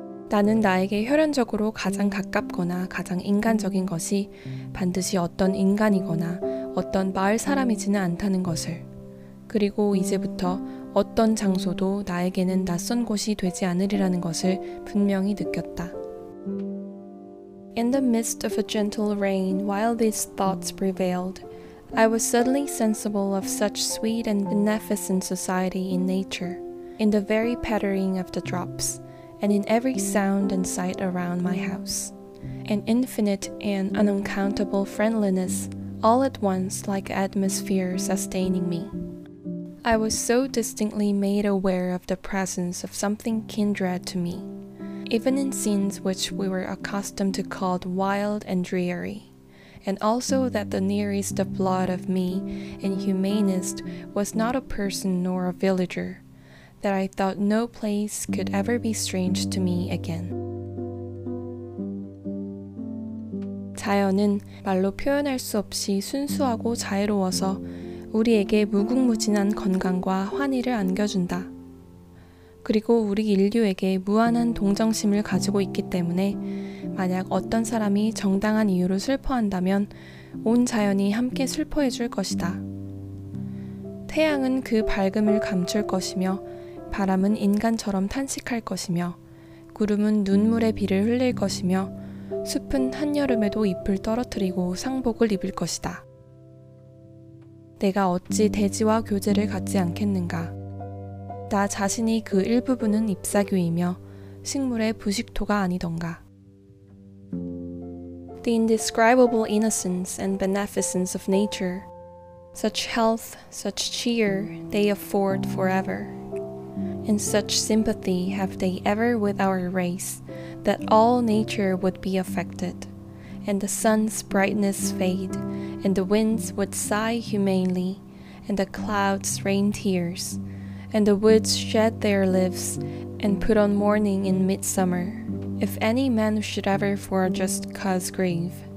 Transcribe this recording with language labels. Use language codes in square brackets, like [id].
[ko] 나는 나에게 혈연적으로 가장 가깝거나 가장 인간적인 것이 반드시 어떤 인간이거나 어떤 마을 사람이지는 않다는 것을, 그리고 이제부터 어떤 장소도 나에게는 낯선 곳이 되지 않으리라는 것을 분명히 느꼈다. [en] In the midst of a gentle rain, while these thoughts prevailed, I was suddenly sensible of such sweet and beneficent society in nature, in the very pattering of the drops, and in every sound and sight around my house, an infinite and unaccountable friendliness all at once like atmosphere sustaining me. I was so distinctly made aware of the presence of something kindred to me, even in scenes which we were accustomed to call wild and dreary, and also that the nearest of blood of me and humanest was not a person nor a villager, that I thought no place could ever be strange to me again. [ko] 자연은 말로 표현할 수 없이 순수하고 자애로워서 우리에게 무궁무진한 건강과 환희를 안겨준다. 그리고 우리 인류에게 무한한 동정심을 가지고 있기 때문에 만약 어떤 사람이 정당한 이유로 슬퍼한다면 온 자연이 함께 슬퍼해 줄 것이다. 태양은 그 밝음을 감출 것이며 바람은 인간처럼 탄식할 것이며 구름은 눈물의 비를 흘릴 것이며 숲은 한여름에도 잎을 떨어뜨리고 상복을 입을 것이다. 내가 어찌 대지와 교제를 갖지 않겠는가? 나 자신이 그 일부분은 잎사귀이며 식물의 부식토가 아니던가? [en] The indescribable innocence and beneficence of nature, such health, such cheer, they afford forever. And such sympathy have they ever with our race, that all nature would be affected, and the sun's brightness fade, and the winds would sigh humanely, and the clouds rain tears, and the woods shed their leaves, and put on mourning in midsummer, if any man should ever for a just cause grieve.